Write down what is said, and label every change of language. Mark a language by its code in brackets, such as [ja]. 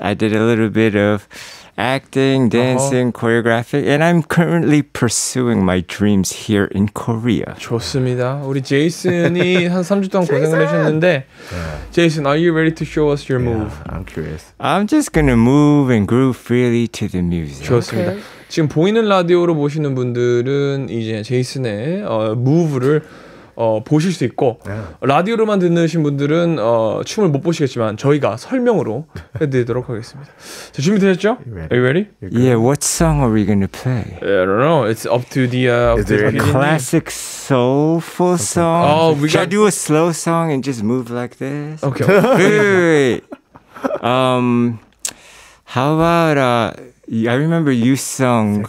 [en] I did a little bit of acting, dancing, choreographing, and I'm currently pursuing my dreams here in Korea. [ko] 좋습니다. 우리 제이슨이 한 3주 동안 고생을 하셨는데, [en] Jason, are you ready to show us your move? I'm curious. I'm just gonna move and groove freely to the music. [ko] 좋습니다. Okay. 지금 보이는 라디오로 보시는 분들은 이제 제이슨의 move를 보실 수 있고 라디오로만 듣는 분들은 춤을 못 보시겠지만 저희가 설명으로 해드리도록 하겠습니다. 자, 준비되셨죠? [en] Ready. Are you ready? Yeah, what song are we going to play? I don't know. It's up to the... Is there a classic soulful song? Okay. Oh, should I do a slow song and just move like this? Okay. How about... I remember you sung...